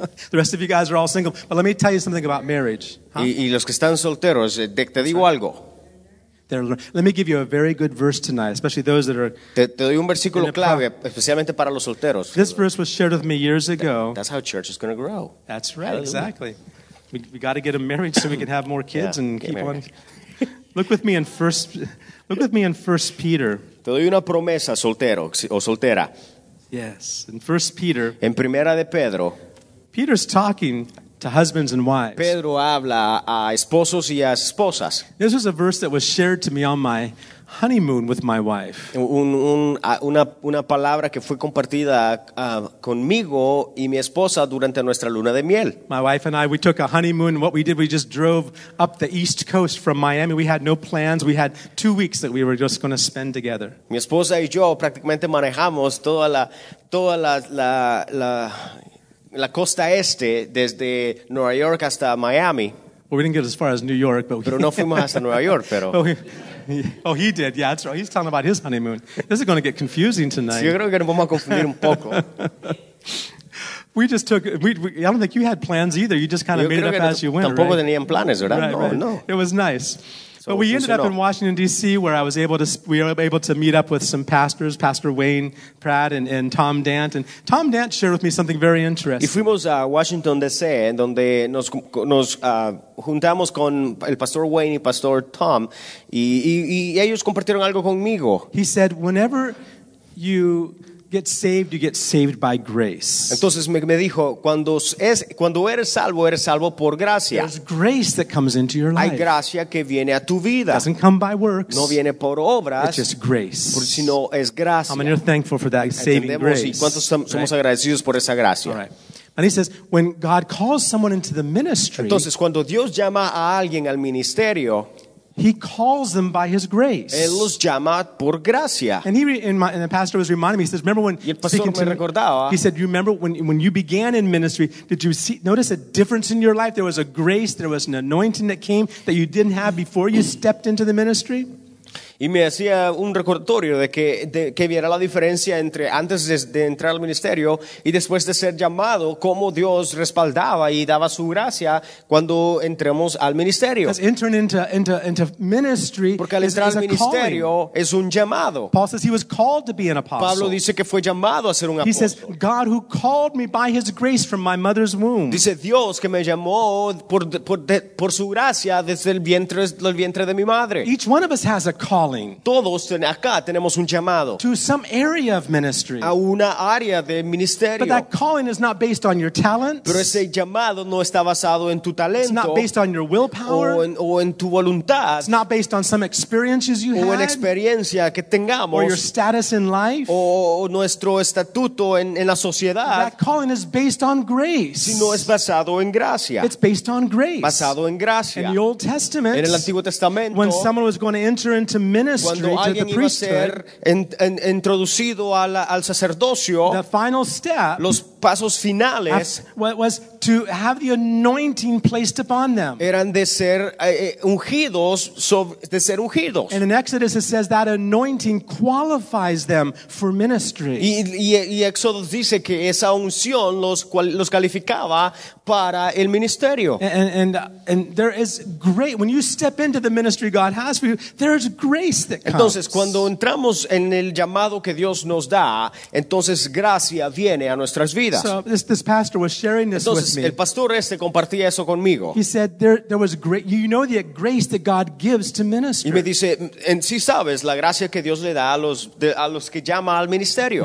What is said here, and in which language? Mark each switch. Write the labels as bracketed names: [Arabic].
[English] The rest of you guys are all single. But let me tell you something about marriage. Huh? [Spanish] Y los que están solteros, te digo algo. [English] Let me give you a very good verse tonight, especially those that are... [Spanish] Te doy un versículo clave, especialmente para los solteros. [English] This verse was shared with me years ago. That's how church is going to grow. That's right, Hallelujah. Exactly. We got to get them married so we can have more kids and keep on... Look with me in First Peter. [Spanish] Te doy una promesa, soltero o soltera. [English] Yes, in First Peter. [Spanish] En primera de Pedro. [English] Peter's talking to husbands and wives. [Spanish] Pedro habla a esposos y a esposas. [English] This was a verse that was shared to me on my honeymoon with my wife. [Spanish] Una palabra que fue compartida conmigo y mi esposa durante nuestra luna de miel. [English] My wife and I, we took a honeymoon. What we did, we just drove up the East Coast from Miami. We had no plans. We had 2 weeks that we were just going to spend together. [Spanish] Mi esposa y yo prácticamente manejamos toda la costa este desde Nueva York hasta Miami. [English] Well, we didn't get as far as New York, but [Spanish] pero no fuimos hasta Nueva York, pero. [English] Oh, he did. Yeah, that's right. He's talking about his honeymoon. This is going to get confusing tonight. Yo creo que nos vamos a confundir un poco. We just took. I don't think you had plans either. You just kind of made it up as you went. [Spanish] Tampoco [English] right? [Spanish] Tenían planes, ¿verdad? [English] Right, no, right. No. It was nice. So but we funcionó. Ended up in Washington D.C., where I was able to. We were able to meet up with some pastors, Pastor Wayne Pratt and Tom Dant. And Tom Dant shared with me something very interesting. [Spanish] Y fuimos a Washington D.C., donde nos juntamos con el Pastor Wayne y Pastor Tom, y ellos compartieron algo conmigo. [English] He said, "Whenever you get saved, you get saved by grace." [Spanish] Entonces me dijo, cuando eres salvo por gracia. [English] There's grace that comes into your life. [Spanish] Hay gracia que viene a tu vida. [English] It doesn't come by works. [Spanish] No viene por obras. [English] It's just grace. [Spanish] Sino es gracia. [English] How many are thankful for that saving grace? [Spanish] Y cuántos somos agradecidos por esa gracia. [English] And he says, when God calls someone into the ministry. [Spanish] Entonces cuando Dios llama a alguien al ministerio. [English] He calls them by his grace. [Spanish] Él los llama por gracia. [English] And the pastor was reminding me, he says, remember when speaking to [Spanish] me, recordaba. [English] He said, you remember when you began in ministry, did you notice a difference in your life? There was a grace, there was an anointing that came that you didn't have before you stepped into the ministry? [Spanish] Y me hacía un recordatorio de que viera la diferencia entre antes de entrar al ministerio y después de ser llamado, cómo Dios respaldaba y daba su gracia cuando entremos al ministerio. [English] Into ministry, [Spanish] porque al entrar [English] is [Spanish] al ministerio [English] calling. [Spanish] Es un llamado. [English] Paul says he was called to be an apostle. [Spanish] Pablo dice que fue llamado a ser un [English] he [Spanish] apóstol. [English] He says, God who called me by his grace from my mother's womb. [Spanish] Dice Dios que me llamó por su gracia desde el vientre de mi madre. [English] Each one of us has a call. [Spanish] Todos acá tenemos un llamado [English] to some area of ministry. [Spanish] A una área de ministerio. [English] But that calling is not based on your talents. [Spanish] Pero ese llamado no está basado en tu talento. [English] It's not based on your willpower. [Spanish] O en tu voluntad. [English] It's not based on some experiences you [Spanish] o [English] had. [Spanish] O en experiencia que tengamos. [English] Or your status in life. [Spanish] O nuestro estatuto en la sociedad. [English] That calling is based on grace. [Spanish] Sino es basado en gracia. [English] It's based on grace. [Spanish] Basado en gracia. [English] In the Old Testament. [Spanish] En el Antiguo Testamento. [English] When someone was going to enter into ministry to the priesthood, [Spanish] introducido al sacerdocio, [English] the final step. [Spanish] Los pasos finales [English] was to have the anointing placed upon them. [Spanish] Eran de ser ungidos, de ser ungidos. [English] And in Exodus it says that anointing qualifies them for ministry. [Spanish] Y Éxodo dice que esa unción los calificaba para el ministerio. [English] And there is great when you step into the ministry God has for you, there is grace that comes. [Spanish] Entonces cuando entramos en el llamado que Dios nos da, entonces gracia viene a nuestras vidas. [English] So this pastor was sharing this [Spanish] entonces, [English] with me. [Spanish] El pastor este compartía eso conmigo. [English] He said there was great, you know, the grace that God gives to ministry. [Spanish] Y me dice, en sí sabes la gracia que Dios le da a los que llama al ministerio.